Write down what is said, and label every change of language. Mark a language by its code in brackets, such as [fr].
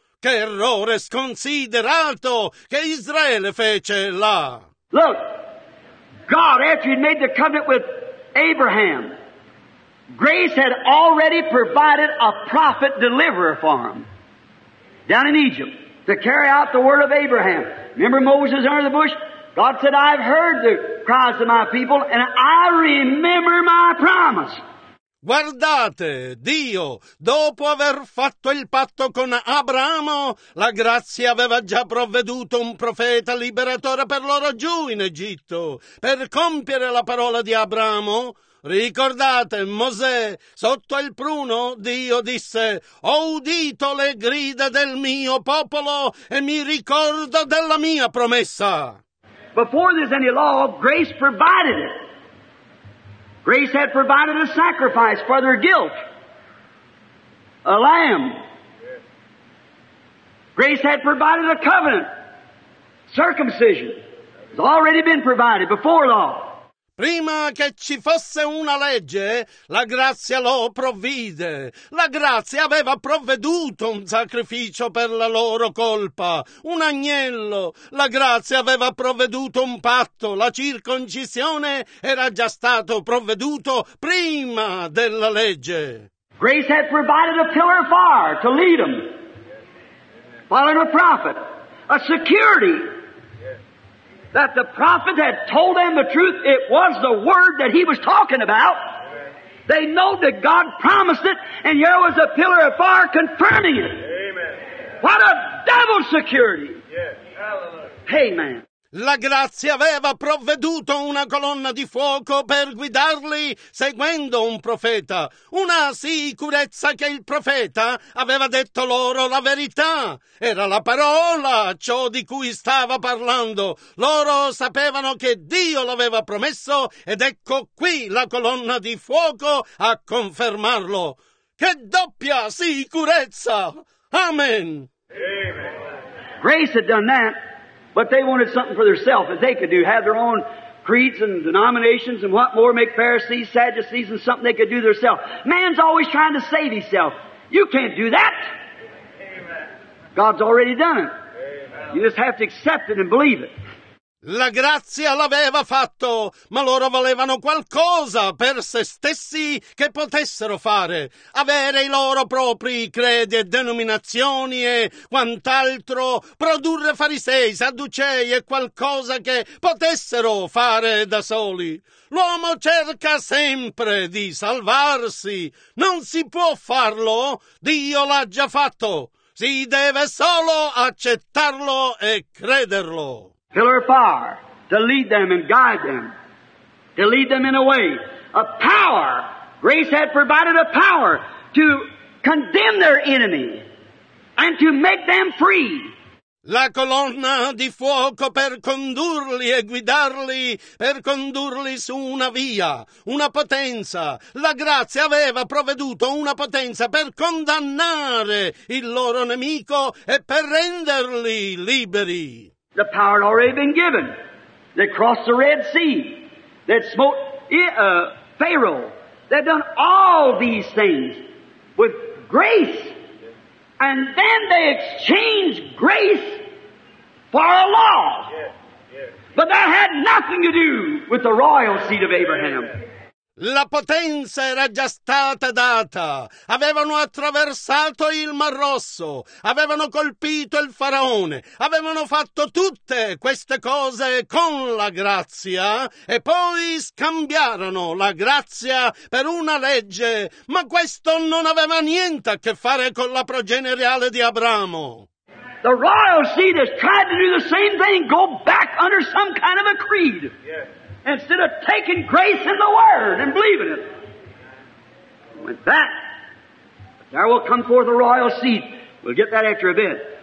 [it] Che errore sconsiderato che Israele fece là! [en] Look, God, after he made the covenant with Abraham, grace had already provided a prophet deliverer for him. Down in Egypt, to carry out the word of Abraham. Remember Moses under the bush? God said, I've heard the cries of my people, and I remember my promise. [it] Guardate, Dio, dopo aver fatto il patto con Abramo, la grazia aveva già provveduto un profeta liberatore per loro giù in Egitto, per compiere la parola di Abramo. Ricordate, Mosè, sotto il pruno, Dio disse, ho udito le grida del mio popolo e mi ricordo della mia promessa. [en] Before there's any law, grace provided it. Grace had provided a sacrifice for their guilt. A lamb. Grace had provided a covenant. Circumcision. It's already been provided before law. [it] Prima che ci fosse una legge, la grazia lo provvide. La grazia aveva provveduto un sacrificio per la loro colpa, un agnello. La grazia aveva provveduto un patto, la circoncisione era già stato provveduto prima della legge. [en] Grace had provided a pillar of fire to lead them, following a prophet, a security. That the prophet had told them the truth, it was the word that he was talking about. They know that God promised it, and here was a pillar of fire confirming it. Amen. What a devil's security! Yes. Hallelujah. Amen. [it] La grazia aveva provveduto una colonna di fuoco per guidarli seguendo un profeta, una sicurezza che il profeta aveva detto loro la verità. Era la parola ciò di cui stava parlando. Loro sapevano che Dio l'aveva promesso ed ecco qui la colonna di fuoco a confermarlo. Che doppia sicurezza! Amen! Amen. [en] Grace had done that. But they wanted something for themselves that they could do, have their own creeds and denominations and what more, make Pharisees, Sadducees, and something they could do themselves. Man's always trying to save himself. You can't do that. Amen. God's already done it. Amen. You just have to accept it and believe it. [it] La grazia l'aveva fatto, ma loro volevano qualcosa per se stessi che potessero fare, avere i loro propri credi e denominazioni e quant'altro, produrre farisei, sadducei e qualcosa che potessero fare da soli. L'uomo cerca sempre di salvarsi, non si può farlo, Dio l'ha già fatto, si deve solo accettarlo e crederlo. [en] Pillar of fire to lead them and guide them, to lead them in a way. A power. Grace had provided a power to condemn their enemy. and to make them free. [it] La colonna di fuoco per condurli e guidarli, per condurli su una via, una potenza. La grazia aveva provveduto una potenza per condannare il loro nemico e per renderli liberi. [en] The power had already been given. They crossed the Red Sea. They smote Pharaoh. They'd done all these things with grace. And then they exchanged grace for a law. But that had nothing to do with the royal seed of Abraham. [it] La potenza era già stata data. Avevano attraversato il Mar Rosso. Avevano colpito il Faraone. Avevano fatto tutte queste cose con la grazia. E poi scambiarono la grazia per una legge. Ma questo non aveva niente a che fare con la progenerale di Abramo. [en] The royal seed has tried to do the same thing, go back under some kind of a creed. Yes. Instead of taking grace in the Word and believing it. With that, there will come forth a royal seed. We'll get that after a bit.